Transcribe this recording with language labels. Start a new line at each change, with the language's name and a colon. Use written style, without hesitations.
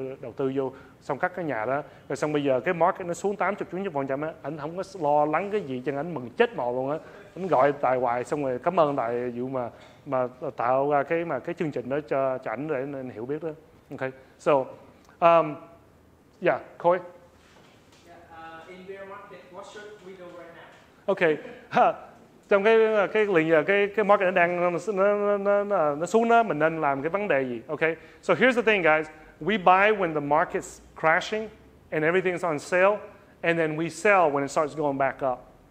Vietnamese: đầu tư vô, xong cắt cái nhà đó, rồi xong bây giờ cái market nó xuống 80%, anh không có lo lắng cái gì, chân anh mừng chết mò luôn á, anh gọi Tài hoài, xong rồi cảm ơn Tài vụ mà tạo ra cái chương trình đó cho anh để anh hiểu biết đó, ok, so, yeah, Khôi.
English: Yeah, in bear market, what should we do right now? Okay.
Vietnamese: Trong cái market nó đang nó xuống đó, mình nên làm cái vấn đề gì, okay?
English: So here's the thing, guys. We buy when the market's crashing and everything's on sale, and then we sell when it starts going back up.